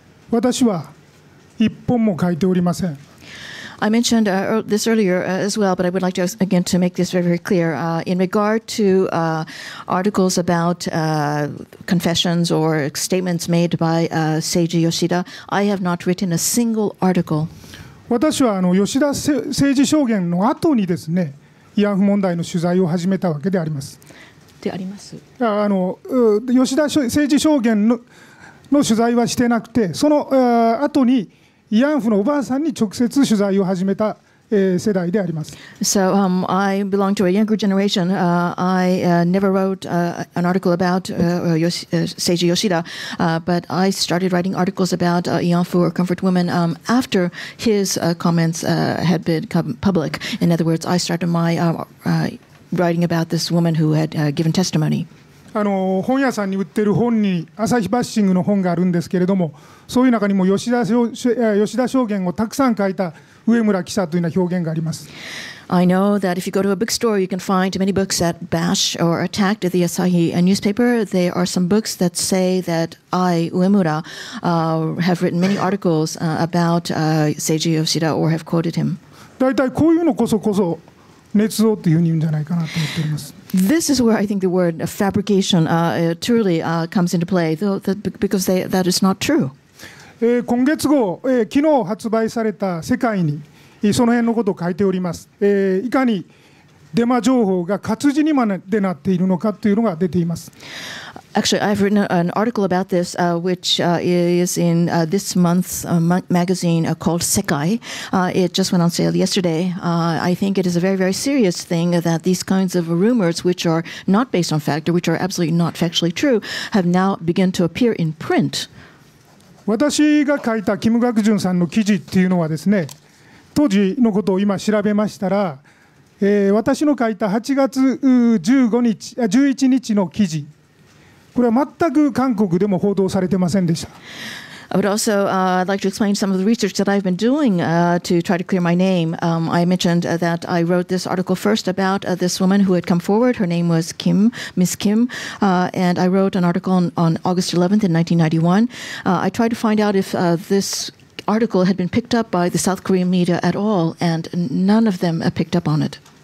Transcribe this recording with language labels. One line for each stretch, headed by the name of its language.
Japanese: 私は一本も書いておりません。
English: I mentioned this earlier as well, but I would like to again to make this very, very clear. In regard to articles about confessions or statements made by Seiji Yoshida, I have not written a single article.
Japanese: 私は吉田政治証言の後にですね、慰安婦問題の取材を始めたわけであります。であります。吉田政治証言のの取材はしてなくて、その後に慰安婦のおばあさんに直接取材を始めた世代であります。
English: So, I belong to a younger generation. I never wrote an article about Seiji Yoshida, but I started writing articles about Ianfu or comfort women after his comments had been public. In other words, I started my writing about this woman who had given testimony.
Japanese: 本屋さんに売ってる本に朝日バッシングの本があるんですけれども、そういう中にも吉田証言をたくさん書いた上村記者というような表現があります。
English: I know that if you go to a bookstore you can find many books that bash or attacked the Asahi newspaper. There are some books that say that I, 上村、have written many articles about Seiji Yoshida or have quoted him.
Japanese: だいたいこういうのこそ捏造というふうに言うんじゃないかなと思っております。
English: This is where I think the word fabrication truly comes into play, though, because that is not true.
Japanese: 今月号、昨日発売された世界にその辺のことを書いております。いかにデマ情報が活字にまでなっているのかというのが出ています。
English: Actually, I've written an article about this, which is in this month's magazine called Sekai. It just went on sale yesterday. I think it is a very, very serious thing that these kinds of rumors, which are not based on fact or which are absolutely not factually true, have now begun to appear in print.
Japanese: 私が書いたキム・ガクジュンさんの記事っていうのはですね、当時のことを今調べましたら、私の書いた8月11日の記事、これは全く韓国でも報道されてませんでした。
English: But also, I'd like to explain some of the research that I've been doing to try to clear my name. I mentioned that I wrote this article first about this woman who had come forward. Her name was Kim, Miss Kim, and I wrote an article on August 11th in 1991. I tried to find out if this article had been picked up by the South Korean media at all, and none of them picked up on it.